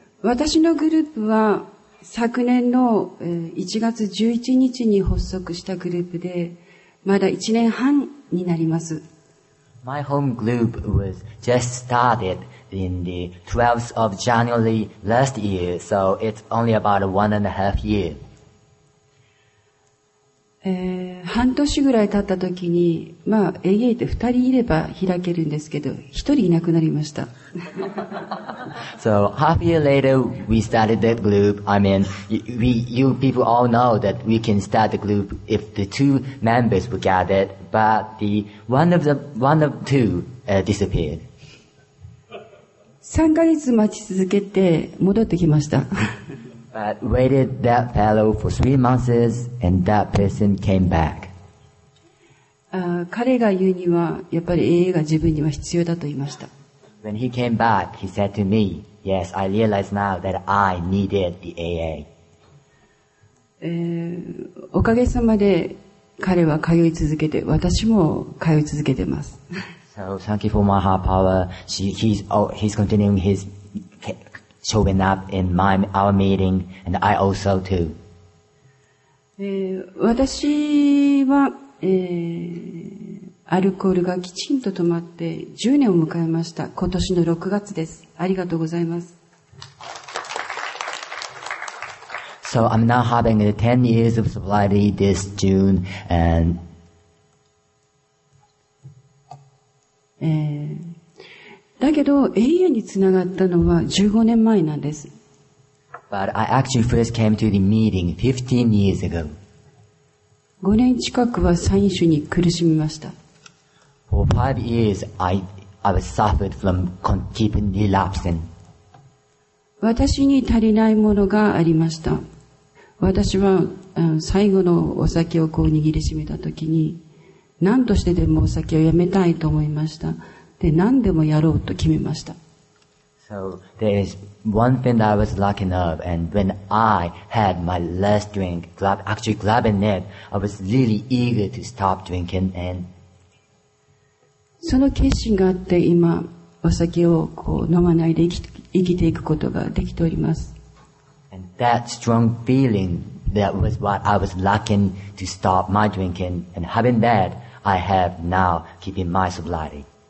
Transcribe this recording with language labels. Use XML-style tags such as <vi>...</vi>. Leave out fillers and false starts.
<ja>私のグループは昨年の1月11日に発足したグループで。まだ1年半になります。</ja> <en>My home group was just started in the 12th of January last year, so it's only about one and a half year.</en> <ja>半年ぐらい経った時に、まあ、A8 って2人いれば開けるんですけど、1人いなくなりました。</ja> <en>So, half year later, we started that group. I mean, you people all know that we can start the group if the two members were gathered, but one of two disappeared.</en> <ja>3ヶ月待ち続けて戻ってきました。</ja> <en>But waited that fellow for 3 months and that person came back.</en> <ja>彼が言うには、やっぱり AA が自分には必要だと言いました。</ja> <en>When he came back, he said to me, Yes, I realize now that I needed the AA.</en> <ja>おかげさまで彼は通い続けて、私も通い続けてます。</ja> <en>So thank you for my heart power. He's continuing his showing up in our meeting, and I also too.</en> <ja>私は、アルコールがきちんと止まって10年を迎えました。今年の6月です。ありがとうございます。</ja> <en>So I'm now having 10 years of sobriety this June and...</en> <ja>だけど永遠につながったのは15年前なんです。</ja> <en>But I actually first came to the meeting 15 years ago.</en> <ja>5年近くは三飲酒に苦しみました。</ja> <en>For 5 years, I was suffered from keeping relapsing.</en> <ja>私に足りないものがありました。私は最後のお酒をこう握りしめたときに、何としてでもお酒をやめたいと思いました。で、何でもやろうと決めました。</ja> <en>So there is one thing that I was lucky enough, and when I had my last drink, grabbing it, I was really eager to stop drinking and...</en> <ja>その決心があって今お酒をこう飲まないで生きていくことができております。</ja> <en>And that strong feeling, that was what I was lacking to stop my drinking. And having that, I have now keeping my sobriety.</en>